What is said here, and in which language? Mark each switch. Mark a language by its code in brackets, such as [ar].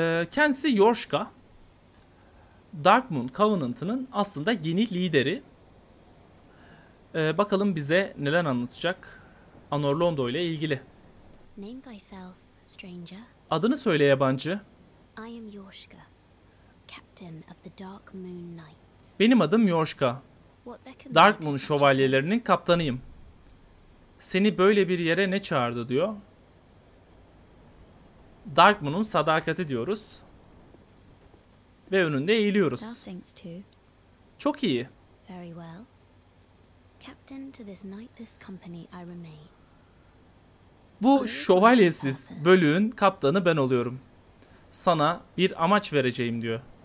[tr] Kendisi Yorshka, Darkmoon Covenant'ının aslında yeni lideri. Bakalım bize neler anlatacak Anor Londo ile ilgili. [en] Name thyself, stranger. [tr] Adını söyle yabancı. [en] I am Yorshka, captain of the Dark Moon Knights. [tr] Benim adım Yorshka, Darkmoon şövalyelerinin kaptanıyım. Seni böyle bir yere ne çağırdı diyor. Darkmoon'un sadakati diyoruz. Ve önünde eğiliyoruz. Çok iyi. [en] Very well. Captain to this knightless company I remain. [tr] Bu şövalyesiz bölüğün kaptanı ben oluyorum. Sana bir amaç vereceğim diyor.